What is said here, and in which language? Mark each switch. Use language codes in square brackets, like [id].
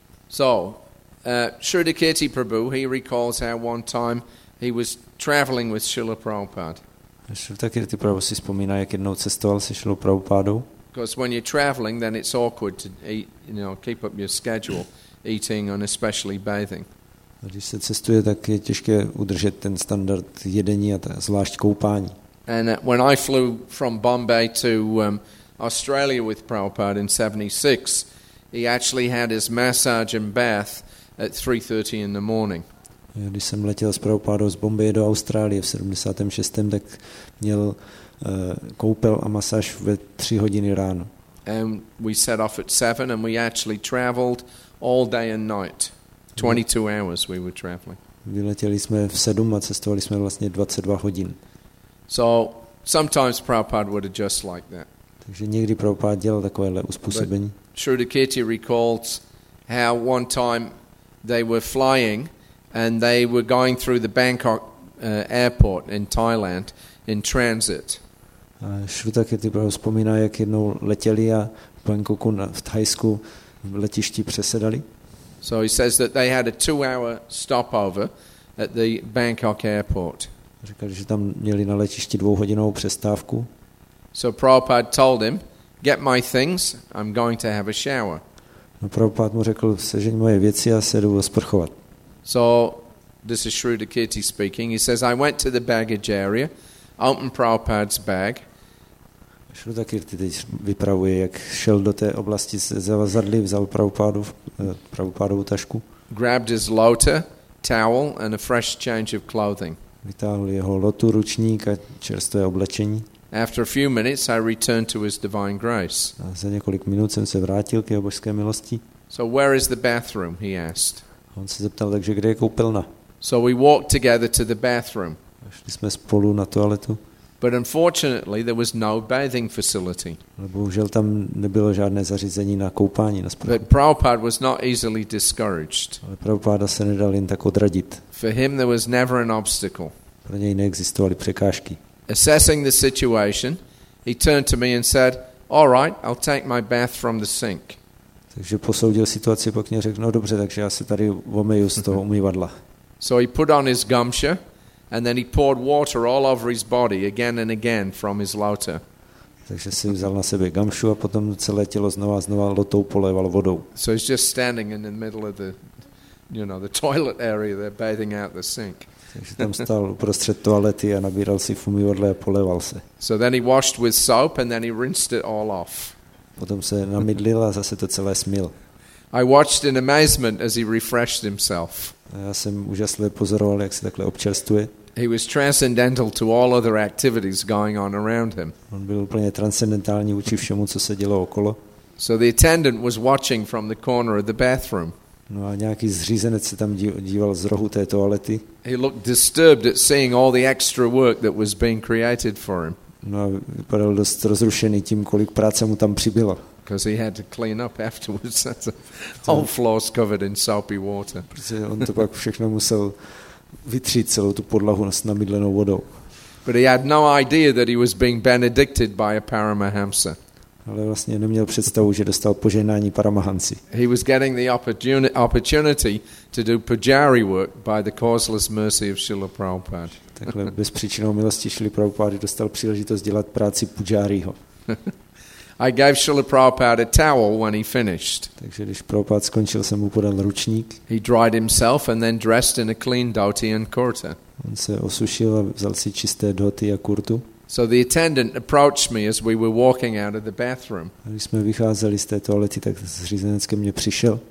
[en] So, Shrutikirti Prabhu, he recalls how one time he was traveling with Srila Prabhupada. [cs] Shrutikirti Prabhu si vzpomíná, jak jednou cestoval se Srila Prabhupádou. [en] Because when you're traveling, then it's awkward to eat, you know, keep up your schedule, eating and especially bathing. [cs] A když se cestuje, tak je těžké udržet ten standard jedení a zvlášť koupání. [en] And when I flew from Bombay to Australia with Prabhupada in 76, He actually had his massage and bath at 3:30 in the morning. [cs] Když jsem letěl s Prabhupádou z Bombaje do Austrálie v 76., tak měl koupel a masáž ve 3 hodiny ráno. [en] And we set off at 7 and we actually traveled all day and night. 22 hours we were traveling. [cs] Vyletěli jsme v 7 a cestovali jsme vlastně 22 hodin. [en] So sometimes Prabhupada would adjust like that. [cs] Takže někdy Prabhupada dělal takovéhle uspůsobení. [en] Shrutakirti recalls how one time they were flying and they were going through the Bangkok airport in Thailand in transit. [cs] Shrutakirti vzpomíná, jak jednou letěli a v Bangkoku v Thajsku v letišti přesedali. [en] So he says that they had a 2-hour stopover at the Bangkok airport. [cs] Říkali, že tam měli na letišti dvouhodinovou přestávku. [en] So Prabhupada told him, get my things, I'm going to have a shower. [cs] No Prabhupada mu řekl, sežeň moje věci a se jdu osprchovat. [en] So, this is Shrutakirti speaking, he says, I went to the baggage area, opened Prabhupada's bag. [cs] Shrutakirti teď vypravuje, jak šel do té oblasti se zavazadly, vzal Prabhupádovu tašku. [en] Grabbed his lota, towel and a fresh change of clothing. [cs] Vytáhl jeho lotu, ručník a čerstvé oblečení. [en] After a few minutes I returned to his divine grace. [cs] A za několik minut jsem se vrátil k jeho božské milosti. [en] So where is the bathroom, he asked. [cs] On se zeptal, takže kde je koupelna. [en] So we walked together to the bathroom. [cs] A šli jsme spolu na toaletu. [en] But unfortunately there was no bathing facility. [cs] Ale bohužel tam nebylo žádné zařízení na koupání, na sprchu. [en] But Prabhupada was not easily discouraged. [cs] Ale Prabhupada se nedal jen tak odradit. [en] For him there was never an obstacle. [cs] Pro něj neexistovaly překážky. [en] Assessing the situation, he turned to me and said, "All right, I'll take my bath from the sink." [cs] Takže posoudil situaci, pak mě řekl, no dobře, takže já se tady omyju z toho umývadla. [en] So he put on his gumsha and then he poured water all over his body again and again from his lota. [cs] Takže si vzal na sebe gamšu a potom celé tělo znova a znova lotou poléval vodou. [en] So he's just standing in the middle of the, you know, the toilet area, they're bathing out the sink. [cs] Takže tam stál uprostřed toalety a nabíral si v umývadle a poléval se. [en] So then he washed with soap and then he rinsed it all off. [cs] Potom se namydlil a zase to celé smyl. [en] I watched in amazement as he refreshed himself. [cs] A já jsem úžasně pozoroval, jak se takhle občerstuje. [en] He was transcendental to all other activities going on around him. [cs] On byl úplně transcendentální vůči všemu, co se dělo okolo. [en] So the attendant was watching from the corner of the bathroom. [cs] No a nějaký zřízenec se tam díval z rohu té toalety. [en] He looked disturbed at seeing all the extra work that was being created for him. [cs] No a vypadal dost rozrušený tím, kolik práce mu tam přibylo. [en] Because he had to clean up afterwards. The whole floor's covered in soapy water. [cs] Protože on to pak všechno musel vytřít celou tu podlahu s namydlenou vodou. [en] But he had no idea that he was being benedicted by a paramahamsa. [cs] Ale vlastně neměl představu, že dostal požehnání Paramahansi. [en] He was getting the opportunity to do pujari work by the causeless mercy of Srila Prabhupada. [cs] Takhle bez příčinou milosti Srila Prabhupada dostal příležitost dělat práci pujariho. [en] I gave Srila Prabhupada a towel when he finished. [cs] Takže když Prabhupada skončil, jsem mu podal ručník. [en] He dried himself and then dressed in a clean dhoti and kurta. [cs] On se osušil a vzal si čisté dhoti a kurtu. [en] So the attendant approached me as we were walking out of the bathroom. [cs] Když jsme vycházeli z té toalety, tak zřízenec ke mně přišel.